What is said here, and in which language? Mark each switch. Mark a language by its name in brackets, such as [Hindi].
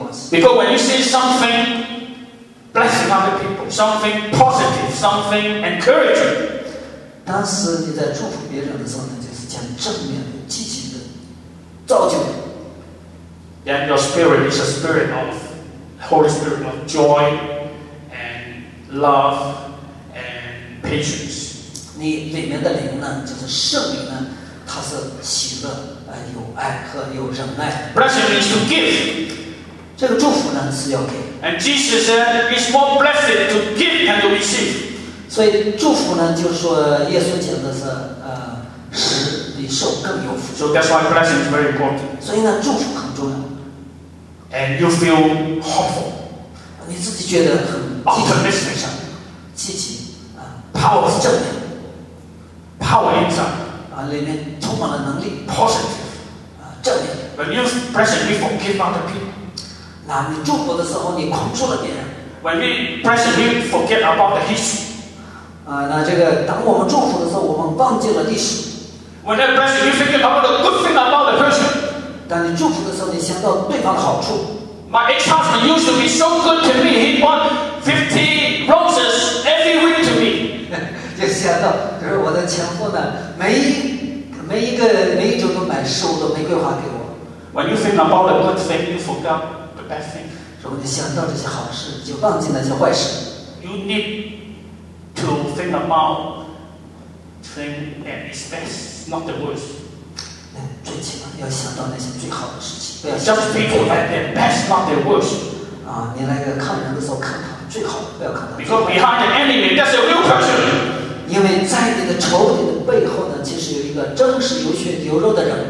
[English] Because when you say something blessing other people, something positive, something encouraging, [Chinese] 当时你在祝福别人的时候，就是讲正面的、积极的、造就。 [English] Then your spirit is a spirit of Holy Spirit of joy and love and patience. [Chinese] 你里面的灵呢，就是圣灵呢，它是喜乐、有爱和有忍耐。 [English] Blessing means to give. [Chinese] 这个祝福呢是要给。 [English] And Jesus said, "It's more blessed to give than to receive." [Chinese] 所以祝福呢，就是说耶稣讲的是，使你受更有福。 [English] So that's why blessing is very important. [Chinese] 所以呢，祝福很重要。 [English] And you feel hopeful. [Chinese] 你自己觉得很积极向上，积极啊 [English] ，power [Chinese] 是正面 [English] ，power inside [Chinese] 啊，里面充满了能力 [English] ，positive [Chinese] 啊，正面。 [English] When you blessing, you forgive other people. [Chinese] 那你祝福的时候，你控制了别人。 [English] When we present, we forget about the history. [Chinese] 啊，那这个当我们祝福的时候，我们忘记了历史。 [English] When we present, we forget about the good thing about the person. [Chinese] 当你祝福的时候，你想到对方的好处。 [English] My ex-husband used to be so good to me. He bought 50 roses every week to me. [Chinese] 就想到，可是我的前夫呢，每一周都买15朵玫瑰花给我。 [English] When you think about the good thing, you forget. [Chinese] 如果你想到这些好事，就忘记那些坏事。 [English] You need to think about things that is best, not the worst. [Chinese] 那最起码要想到那些最好的事情，不要。 [English] Just people that their best, not their worst. [Chinese] 啊，你来个看人的时候，看他最好，不要看他。 [English] Because behind the enemy, that's a real person. [Chinese] 因为在你的仇敌的背后呢，其实有一个真实有血有肉的人。